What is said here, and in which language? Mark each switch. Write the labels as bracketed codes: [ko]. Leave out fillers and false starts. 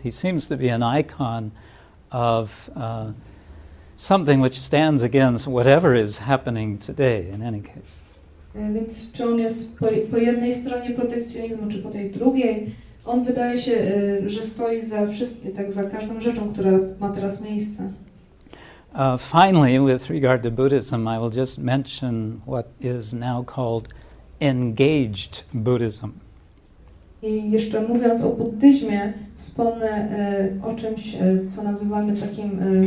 [en] He seems to be an icon of something which stands against whatever is happening today, in any case. [pl] Więc czy on jest po jednej stronie protekcjonizmu, czy po tej drugiej, on wydaje się, że stoi za wszystkim, tak za każdą rzeczą, która ma teraz miejsce. [en] Finally, with regard to Buddhism, I will just mention what is now called engaged Buddhism. [pl] I jeszcze mówiąc o buddyzmie, wspomnę o czymś, co nazywamy takim...